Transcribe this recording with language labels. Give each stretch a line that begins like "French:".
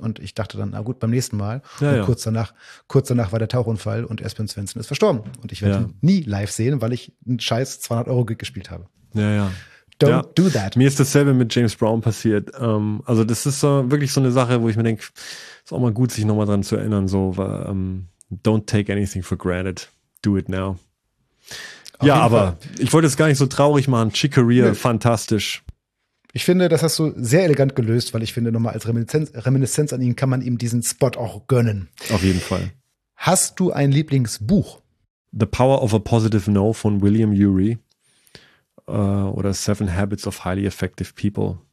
German: Und ich dachte dann, na gut, beim nächsten Mal. Ja, und kurz danach war der Tauchunfall und Espen Svensson ist verstorben. Und ich werde ihn nie live sehen, weil ich einen scheiß 200-Euro-Gig gespielt habe. Ja, ja.
English: Don't do that.
German: Mir ist dasselbe mit James Brown passiert. Also das ist wirklich so eine Sache, wo ich mir denke, ist auch mal gut, sich nochmal dran zu erinnern. So, weil,
English: don't take anything for granted. Do it now.
German: Ja, aber ich wollte es gar nicht so traurig machen. Chick Corea, fantastisch. Ich finde, das hast du sehr elegant gelöst, weil ich finde, nochmal als Reminiszenz an ihn kann man ihm diesen Spot auch gönnen. Auf jeden Fall. Hast du ein Lieblingsbuch?
English: The Power of a Positive No von William Ury. Oder Seven Habits of Highly Effective People.